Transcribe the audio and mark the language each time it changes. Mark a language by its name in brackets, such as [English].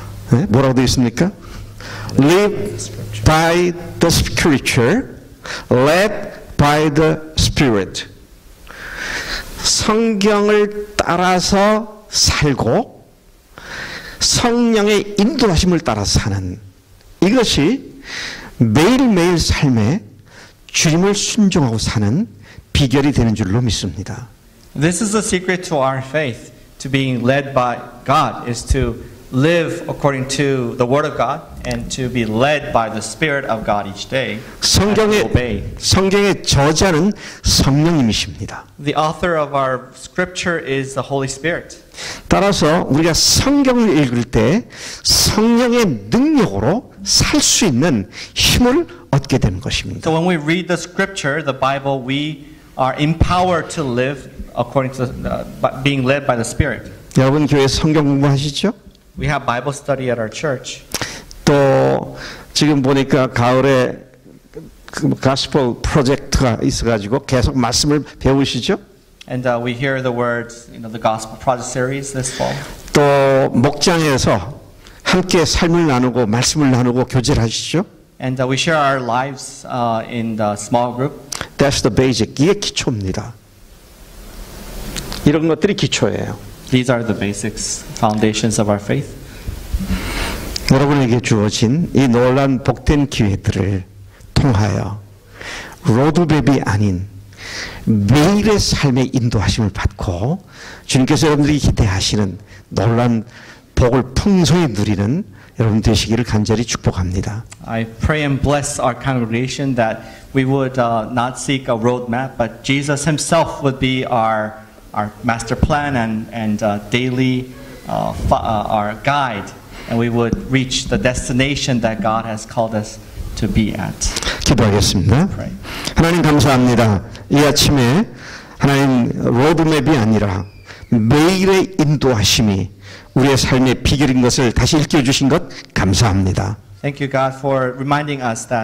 [Korean] 네? 뭐라고 되어 있습니까? [English] Live by the Scripture, led by the Spirit. [Korean] 성경을 따라서 살고 성령의 인도하심을 따라서 사는 이것이 매일매일 삶에 주님을 순종하고 사는 비결이 되는 줄로 믿습니다. [English] This is the secret to our faith, to being led by God, is to live according to the word of God and to be led by the spirit of God each day. [Korean] 성경의 저자는 성령님이십니다. [English] The author of our scripture is the Holy Spirit. [Korean] 따라서 우리가 성경을 읽을 때 성령의 능력으로 살 수 있는 힘을 얻게 되는 것입니다. [English] So when we read the scripture, the Bible, we are empowered to live according to being led by the spirit. [Korean] 여러분 교회 성경 공부하시죠? [English] We have Bible study at our church. [Korean] 또 지금 보니까 가을에 gospel project가 있어가지고 계속 말씀을 배우시죠? [English] And we hear the words, you know, the gospel project series this fall. [Korean] 또 목장에서 함께 삶을 나누고 말씀을 나누고 교제를 하시죠? [English] And we share our lives in the small group. That's the basic. [Korean] 이게 기초입니다. 이런 것들이 기초예요. [English] These are the basics, foundations of our faith. [Korean] 여러분에게 주어진 이 놀란 복된 기회들을 통하여 로드맵이 아닌 매일의 삶의 인도하심을 받고 주님께서 여러분들이 기대하시는 놀란 복을 풍성히 누리는 여러분 되시기를 간절히 축복합니다. [English] I pray and bless our congregation that we would not seek a roadmap, but Jesus Himself would be our master plan and daily our guide, and we would reach the destination that God has called us to be at. [Korean] 기도하겠습니다. 하나님 감사합니다. 이 아침에 하나님 로드맵이 아니라 매일의 인도하심이 우리의 삶의 비결인 것을 다시 일깨워 주신 것 감사합니다. [English] Thank you, God, for reminding us that.